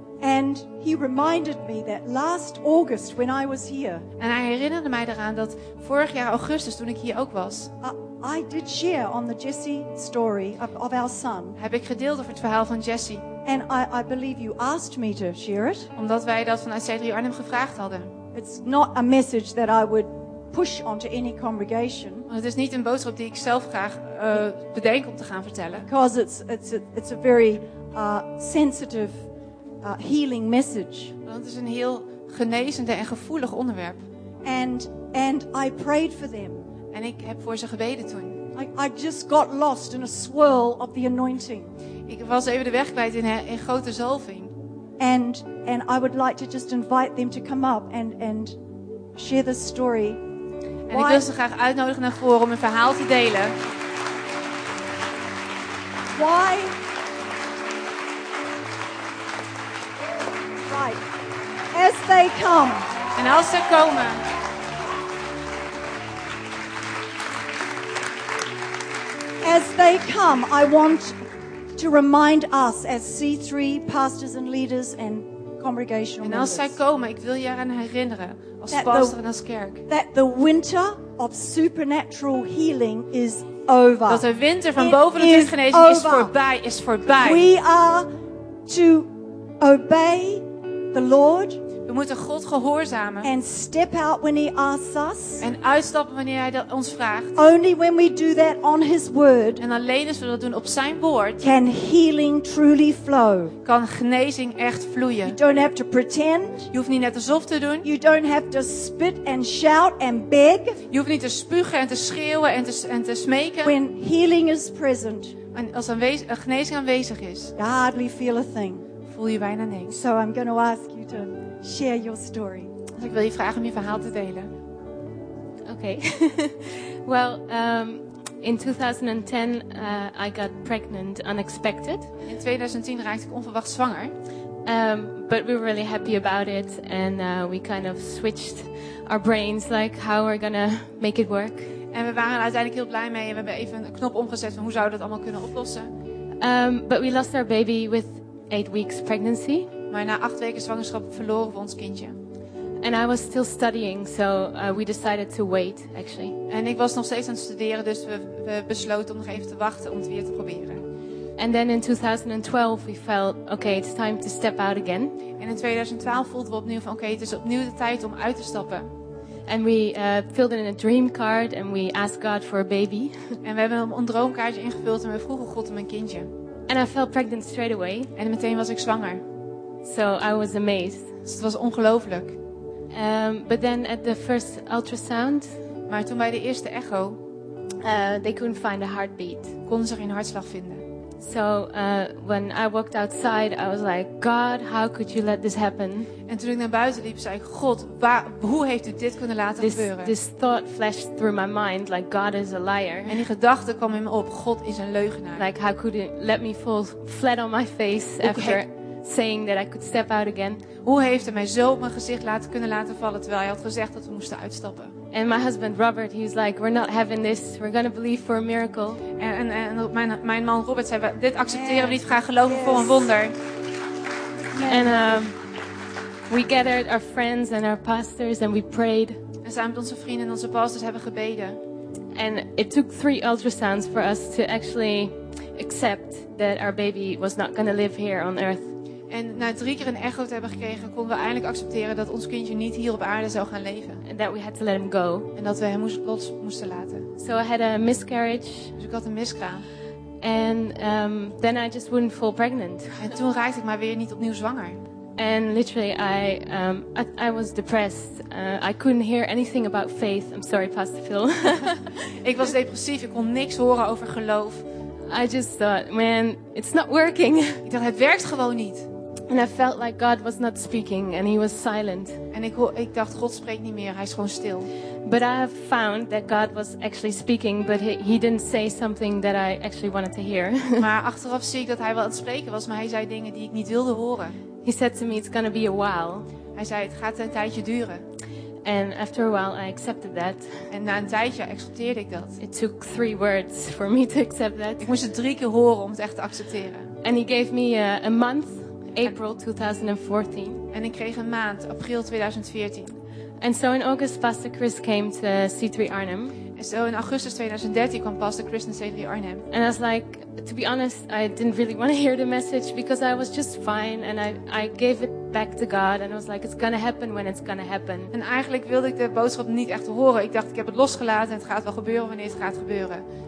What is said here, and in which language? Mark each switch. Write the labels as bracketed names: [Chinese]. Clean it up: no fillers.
[English] And he reminded me that last August when I was here. [Dutch] En hij herinnerde mij eraan dat vorig jaar augustus toen ik hier ook was. [English] I did share on the Jesse story of our son. [Dutch] Heb ik gedeeld over het verhaal van Jesse. [English] And I believe you asked me to share it. [Dutch] Omdat wij dat vanuit C3 Arnhem gevraagd hadden. [English] It's not a message that I would push onto any congregation. [Dutch] Het is niet een boodschap die ik zelf graag bedenk om te gaan vertellen. [English] Because it's a very sensitive healing message. [Dutch] Want het is een heel genezende en gevoelig onderwerp. [English] And I prayed for them. [Dutch] En ik heb voor ze gebeden toen. [English] I just got lost in a swirl of the anointing. [Dutch] Ik was even de weg kwijt in grote zalving. [English] And I would like to just invite them to come up and share this story. [Dutch] En ik wil ze graag uitnodigen naar voren om een verhaal te delen. [English] Why? Right. As they come. [Dutch] En als ze komen. [English] As they come, I want to remind us as C3 pastors and leaders and congregational members. [Dutch] En als zij komen, ik wil je eraan herinneren. [English] That the winter of supernatural healing is over. [Dutch] Dat de winter van bovennatuurlijke genezing is voorbij. Is voorbij. [English] We are to obey the Lord. [Dutch] We moeten God gehoorzamen. [English] And step out when he asks us. [Dutch] En uitstappen wanneer hij dat ons vraagt. [English] Only when we do that on his word. [Dutch] En alleen als we dat doen op zijn woord. [English] Can healing truly flow. [Dutch] Kan genezing echt vloeien. [English] You don't have to pretend. [Dutch] Je hoeft niet net alsof te doen. [English] You don't have to spit and shout and beg. [Dutch] Je hoeft niet te spugen en te schreeuwen en te smeken. [English] When healing is present. [Dutch] En als een genezing aanwezig is. [English] You hardly feel a thing. [Dutch] Voel je bijna niks. [English] So I'm going to ask you to share your story. [Dutch] Dus ik wil je vragen om je verhaal te delen. [English] Oké. Okay. Well, in 2010 I got pregnant unexpected. [Dutch] In 2010 raakte ik onverwacht zwanger. [English] But we were really happy about it and we kind of switched our brains like how we're going to make it work. [Dutch] En we waren uiteindelijk heel blij mee en we hebben even een knop omgezet van hoe zouden we dat allemaal kunnen oplossen. [English] But we lost our baby with 8 weeks pregnancy. [Dutch] Maar na 8 weken zwangerschap verloren we ons kindje. [English] And I was still studying, so we decided to wait, actually. [Dutch] En ik was nog steeds aan het studeren, dus we besloten om nog even te wachten om het weer te proberen. [English] And then in 2012 we felt, okay, it's time to step out again. [Dutch] En in 2012 voelden we opnieuw van, okay, het is opnieuw de tijd om uit te stappen. [English] And we filled in a dream card and we asked God for a baby. [Dutch] En we hebben een droomkaartje ingevuld en we vroegen God om een kindje. [English] And I felt pregnant straight away. [Dutch] En meteen was ik zwanger. [English] So I was amazed. [Dutch] Dus het was ongelooflijk. [English] But then at the first ultrasound. [Dutch] Maar toen bij de eerste echo. [English] They couldn't find a heartbeat. [Dutch] Konden ze geen hartslag vinden. [English] So when I walked outside, I was like, God, how could you let this happen? [Dutch] En toen ik naar buiten liep, zei ik, God, hoe heeft u dit kunnen laten gebeuren? [English] This thought flashed through my mind, like God is a liar. [Dutch] En die gedachte kwam in me op, God is een leugenaar. [English] Like, how could you let me fall flat on my face after saying that I could step out again? [Dutch] Hoe heeft hij mij zo op mijn gezicht kunnen laten vallen, terwijl hij had gezegd dat we moesten uitstappen? [English] And my husband Robert, he was like, we're not having this. We're going to believe for a miracle. [Dutch] En mijn man Robert zei, dit accepteren we niet. We gaan geloven voor een wonder. [English] And we gathered our friends and our pastors and we prayed. [Dutch] En samen met onze vrienden en onze pastors hebben gebeden. [English] And it took 3 ultrasounds for us to actually accept that our baby was not going to live here on earth. [Dutch] En na 3 keer een echo te hebben gekregen, konden we eindelijk accepteren dat ons kindje niet hier op aarde zou gaan leven. [English] And that we had to let him go. [Dutch] En dat we hem moesten laten. [English] So I had a miscarriage. [Dutch] Dus ik had een miskraam. [English] And then I just wouldn't fall pregnant. [Dutch] En toen raakte ik maar weer niet opnieuw zwanger. [English] And literally I was depressed. I couldn't hear anything about faith. I'm sorry, Pastor Phil. [Dutch] Ik was depressief. Ik kon niks horen over geloof. [English] I just thought, man, it's not working. [Dutch] Ik dacht, het werkt gewoon niet. [English] And I felt like God was not speaking and he was silent. [Dutch] En ik dacht, God spreekt niet meer, hij is gewoon stil. [English] But I have found that God was actually speaking, but he didn't say something that I actually wanted to hear. [Dutch] Maar achteraf zie ik dat hij wel aan het spreken was, maar hij zei dingen die ik niet wilde horen. [English] He said to me, it's gonna be a while. [Dutch] Hij zei, het gaat een tijdje duren. [English] And after a while I accepted that. [Dutch] En na een tijdje accepteerde ik dat. [English] It took 3 words for me to accept that. [Dutch] Ik moest het 3 keer horen om het echt te accepteren. [English] And he gave me a month, April 2014. [Dutch] En ik kreeg een maand, april 2014. [English] And so in August Pastor Chris came to C3 Arnhem. [Dutch] En zo in augustus 2013 kwam Pastor Chris naar C3 Arnhem. [English] And I was like, to be honest, I didn't really want to hear the message because I was just fine and I gave it back to God and I was like, it's gonna happen when it's gonna happen. [Dutch] En eigenlijk wilde ik de boodschap niet echt horen. Ik dacht, ik heb het losgelaten en het gaat wel gebeuren wanneer het gaat gebeuren.